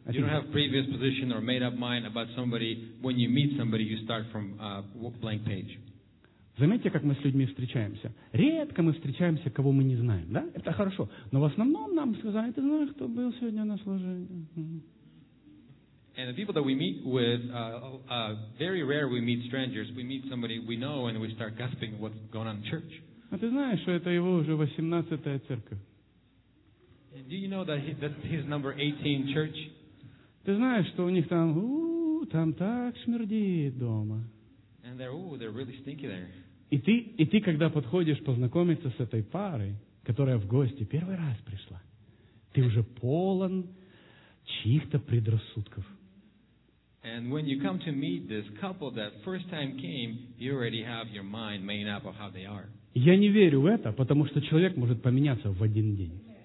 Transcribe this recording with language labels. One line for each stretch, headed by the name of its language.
English: You don't have previous position or made up mind about somebody. When you meet somebody, you start from a blank page.
Russian: Заметьте, как мы с людьми встречаемся. Редко мы встречаемся, кого мы не знаем, да? Это хорошо. Но в основном нам сказали, ты знаешь, кто был сегодня на служении.
English: And the people that we meet with, very rare we meet strangers. We meet somebody we know, and we start gossiping what's going on in church.
Russian: А ты знаешь, что это его уже 18-я церковь?
English: And do you know that his number 18 church?
Russian: Ты знаешь, что у них там, там так смердит дома.
English: And they're really stinky there.
Russian: И ты, когда подходишь познакомиться с этой парой, которая в гости первый раз пришла, ты уже полон чьих-то предрассудков.
English: And when you come to meet this couple that first time came, you already have your mind made up of how they are.
Russian: Я не верю в это, потому что человек может поменяться в один день.